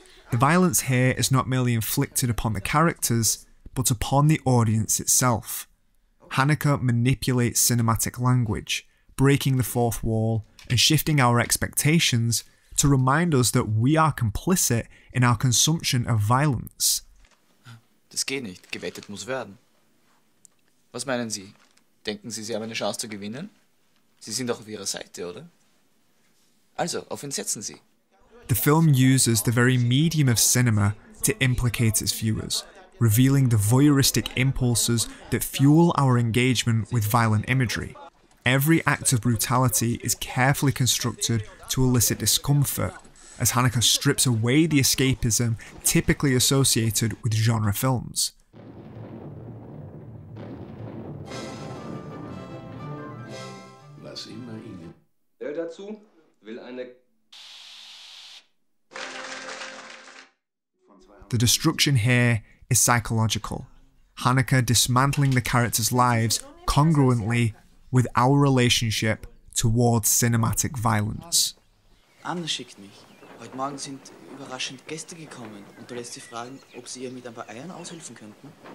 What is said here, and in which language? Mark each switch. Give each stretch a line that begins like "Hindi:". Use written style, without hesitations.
English: The violence here is not merely inflicted upon the characters, but upon the audience itself. Haneke manipulates cinematic language, breaking the fourth wall and shifting our expectations to remind us that we are complicit in our consumption of violence.
German: Das geht nicht, gewettet muss werden. Was meinen Sie? Denken Sie, Sie haben eine Chance zu gewinnen? Sie sind doch auf Ihrer Seite, oder? Also, auf ihn setzen Sie.
English: The film uses the very medium of cinema to implicate its viewers, revealing the voyeuristic impulses that fuel our engagement with violent imagery. Every act of brutality is carefully constructed to elicit discomfort, as Haneke strips away the escapism typically associated with genre films. The destruction here is psychological, Haneke dismantling the characters' lives congruently with our relationship towards cinematic violence.
German: Anna schickt mich. Heute Morgen sind überraschend Gäste gekommen und du lässt sie fragen, ob sie ihr mit ein paar Eiern aushelfen könnten.